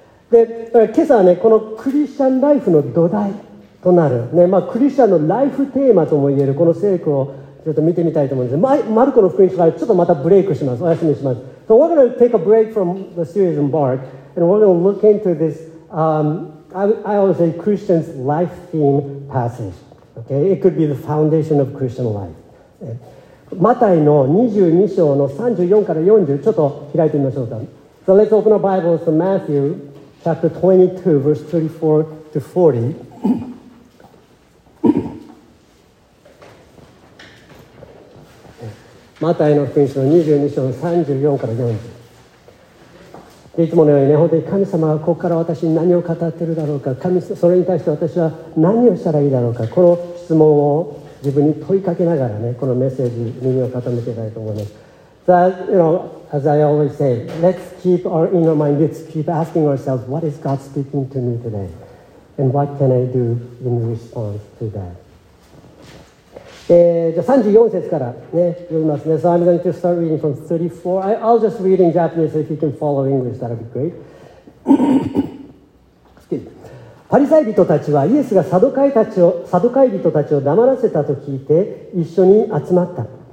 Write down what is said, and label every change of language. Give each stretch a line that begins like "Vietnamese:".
Japanese: で、今朝はね、このクリスチャンライフの土台となる、ね、まあ、クリスチャンのライフテーマとも言えるこの聖句をちょっと見てみたいと思うんです。マルコの福音書からちょっとまたブレイクします。お休みします。
English: So we're going to take a break from the series in Mark, and we're going to look into this, I always say, Christian's life theme passage. Okay? It could be the foundation of Christian life.
Japanese: マタイの22章の34から40ちょっと開いてみましょうか。
English: So let's open our Bibles to Matthew chapter 22 verse 34 to 40
Japanese: マタイの福音書の22章の34から40で、いつものようにね、本当に神様はここから私に何を語ってるだろうか、神それに対して私は何をしたらいいだろうか、この質問を自分に問いかけながらね、このメッセージ耳を傾けたいと思います。
English: So, you know, as I always say, let's keep our inner mind, let's keep asking ourselves, what is God speaking to me today? And what can I do in response to that?
Japanese: じゃあ34節からね、読みますね。
English: So I'm going to start reading from 34. I'll just read in Japanese, if you can follow English, that'll be great. Excuse me.
Japanese: パリサイ人たちはイエスがサドカイ人たちを黙らせたと聞いて一緒に集まった。